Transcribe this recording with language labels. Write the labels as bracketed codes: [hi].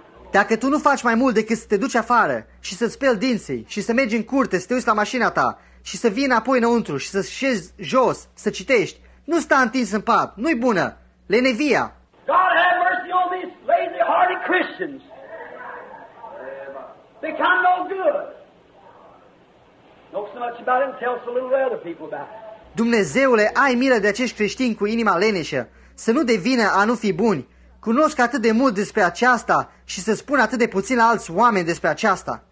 [ro] Dacă tu nu faci mai mult decât să te duci afară și să-ți speli dinții și să mergi în curte, să te uiți la mașina ta și să vii înapoi înăuntru și să șezi jos, să citești, nu sta întins în pat, nu-i bună, lenevia! [en] God have mercy on this! Christians become no good. Know so much about it and tell so little other people about it. [ro] Dumnezeule, ai milă de acești creștini cu inima leneșă, să nu devină a nu fi buni. Cunosc atât de mult despre aceasta și să spun atât de puțin la alți oameni despre aceasta.